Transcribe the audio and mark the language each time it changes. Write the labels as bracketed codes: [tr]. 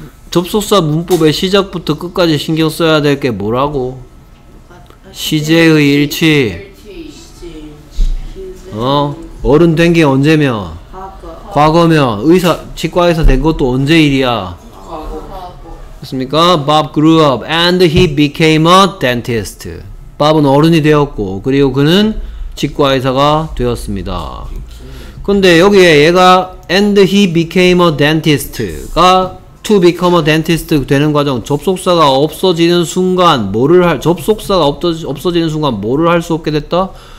[ko] 접속사 문법의 시작부터 끝까지 신경 써야 될 게 뭐라고? 시제의 일치. 어? 어른 된 게 언제며? 과거. 과거며. 의사, 치과에서 된 것도 언제 일이야? 과거. 좋습니까? [en] Bob grew up and he became a dentist. [ko] Bob은 어른이 되었고 그리고 그는 치과의사가 되었습니다. 근데 여기에 얘가 [en] and he became a dentist [ko] 가 [en] to become a dentist [ko] 되는 과정 접속사가 없어지는 순간 뭐를 할 접속사가 없어지는 순간 뭐를 할 수 없게 됐다?